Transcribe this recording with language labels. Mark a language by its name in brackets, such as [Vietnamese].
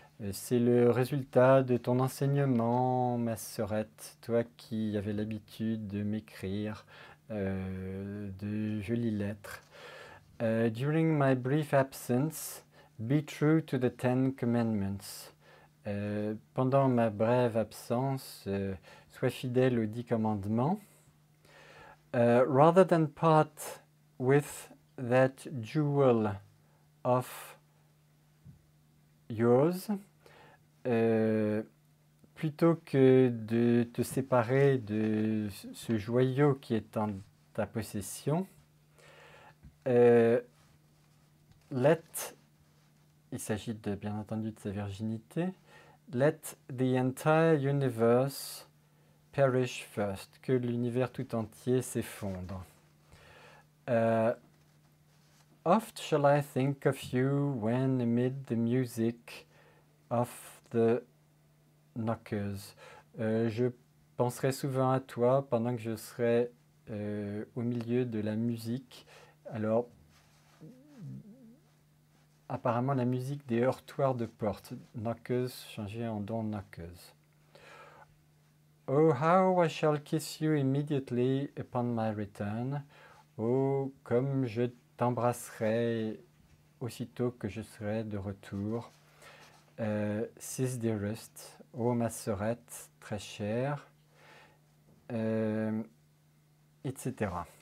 [French] C'est le résultat de ton enseignement, ma sœurette, toi qui avais l'habitude de m'écrire de jolies lettres. [English] During my brief absence, be true to the Ten Commandments. [French] Pendant ma brève absence, sois fidèle aux 10 commandements. [English] Rather than part with that jewel of yours, [French] plutôt que de te séparer de ce joyau qui est en ta possession, il s'agit bien entendu de sa virginité, [English] let the entire universe perish first, [French] que l'univers tout entier s'effondre. [English] Oft shall I think of you when amid the music of the knockers. [French] Je penserai souvent à toi pendant que je serai au milieu de la musique. Alors, apparemment, la musique des heurtoirs de porte. Knockers changé en don knockers. [English] Oh, how I shall kiss you immediately upon my return. [French] Oh, comme je t'embrasserai aussitôt que je serai de retour. [English] Sis dearest, [French] oh ma sœurette très chère, etc.